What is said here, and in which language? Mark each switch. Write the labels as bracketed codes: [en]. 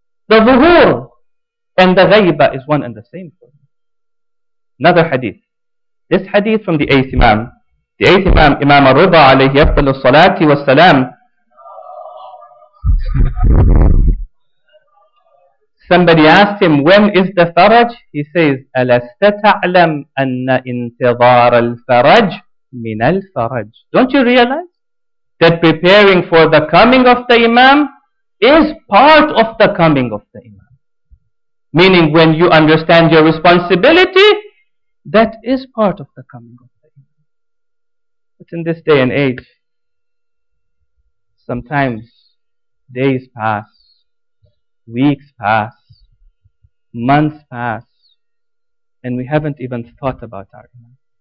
[en] The zuhur and the ghaiba is one and the same for me. Another hadith. This hadith from the 8th Imam. The 8th Imam, Imam al-Ridha alayhi afdalus salati wa salam. Somebody asked him, when is the faraj? He says, [ar] أَلَسْتَ تَعْلَمْ أَنَّ إِنْتِظَارَ الْفَرَجْ مِنَ الْفَرَجْ. [en] Don't you realize that preparing for the coming of the Imam is part of the coming of the Imam? Meaning when you understand your responsibility, that is part of the coming of the Imam. But in this day and age, sometimes days pass, weeks pass, months pass, and we haven't even thought about our Imam.